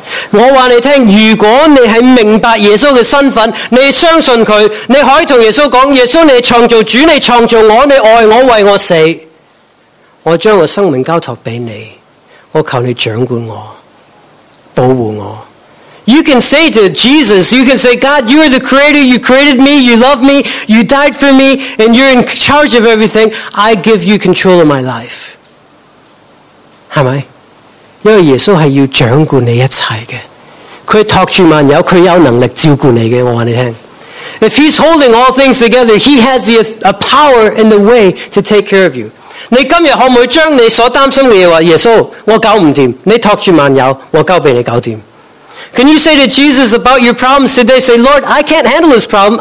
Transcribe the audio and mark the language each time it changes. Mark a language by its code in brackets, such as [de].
[zh] 我告诉你，如果你是明白耶稣的身份，你相信他，你可以跟耶稣说，耶稣你是创造主，你创造我，你爱我，为我死，我将我生命交托给你，我求你掌管我，保护我。 [en] You can say to Jesus, you can say, God, you are the creator, you created me, you love me, you died for me, and you're in charge of everything, I give you control of my life. [zh] 是吗？因为耶稣是要掌管你一切的，他托住万有，他有能力照顾你的。我告诉你， [en] If he's holding all things together, he has a power and the way to take care of you. [zh] 你今天可不可以将你所担心的话，耶稣我搞不定，你托住万有，我交给你搞定。 [en] Can you say to Jesus about your problems today, say, Lord, I can't handle this problem.